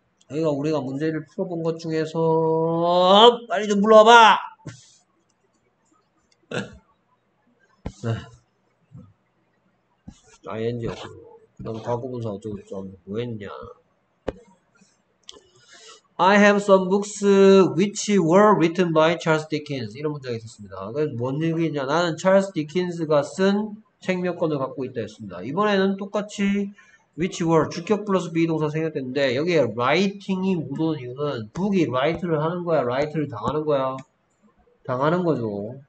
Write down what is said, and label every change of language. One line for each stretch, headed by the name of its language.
Korean: 여기가 우리가 문제를 풀어본 것 중에서 빨리 좀 불러봐. 아이엔지였어. 그럼 과거분사 어쩌고저쩌고 뭐했냐?
English: I have some books which were written by Charles Dickens.
Korean: 이런 문장이 있었습니다. 뭔 얘기냐? 나는 Charles Dickens가 쓴 책 몇 권을 갖고 있다 했습니다. 이번에는 똑같이 which were 주격 플러스 비동사 생겼는데 여기에 writing이 묻은 이유는 book이 write를 하는 거야, write를 당하는 거야, 당하는 거죠.